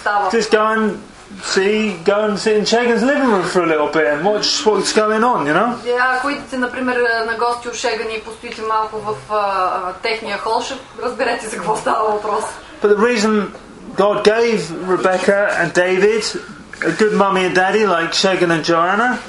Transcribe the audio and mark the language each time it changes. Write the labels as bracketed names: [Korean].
[English] Just go and sit in Shagan's living room for a little bit and watch what's going on, you know? [Bulgarian] Yeah, ако идете, например, на гости у Шегани и постоите малко в техния хол, ще разберете за какво става въпрос. [English] But the reason God gave Rebecca and David a good mummy and daddy like Shagan and Joanna.